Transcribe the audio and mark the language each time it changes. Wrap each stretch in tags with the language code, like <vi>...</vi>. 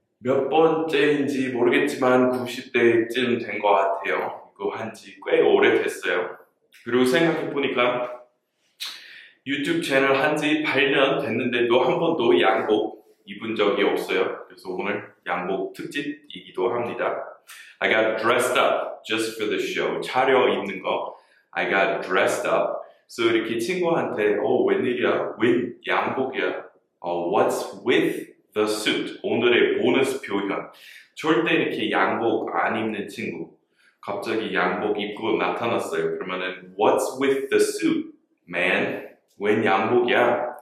<ko>몇 번째인지 모르겠지만 90대쯤 된 것 같아요. 이거 한 지 꽤 오래됐어요. 그리고 생각해보니까 유튜브 채널 한 지 8년 됐는데도 한 번도 양복 입은 적이 없어요. 그래서 오늘 양복 특집이기도 합니다.</ko> <en>I got dressed up just for the show.</en> <ko>차려입는 거.</ko> <en>I got dressed up.</en> <ko>So 이렇게 친구한테 웬일이야? 웬 양복이야?</ko> <en>What's with the suit?</en> <ko>오늘의 보너스 표현. 절대 이렇게 양복 안 입는 친구 갑자기 양복 입고 나타났어요. 그러면은</ko> <en>What's with the suit, man?</en> <ko>웬 양복이야?</ko>